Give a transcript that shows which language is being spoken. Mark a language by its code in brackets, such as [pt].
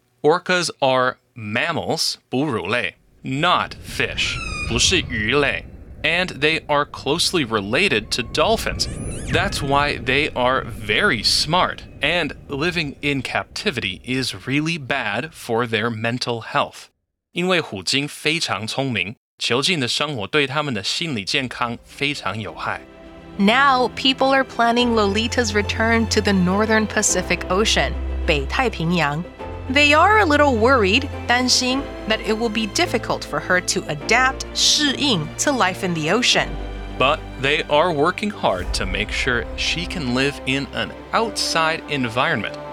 [en] Orcas are mammals, [zh] 哺乳类, [en] not fish, [zh] 不是鱼类, [en] and they are closely related to dolphins. That's why they are very smart, and living in captivity is really bad for their mental health. [zh] 因为虎鲸非常聪明,囚禁的生活对他们的心理健康非常有害。 [en] Now, people are planning Lolita's return to the northern Pacific Ocean, [zh] 北太平洋. [en] They are a little worried, [zh] 担心, [en] that it will be difficult for her to adapt, [zh] 适应, [en] to life in the ocean. But they are working hard to make sure she can live in an outside environment,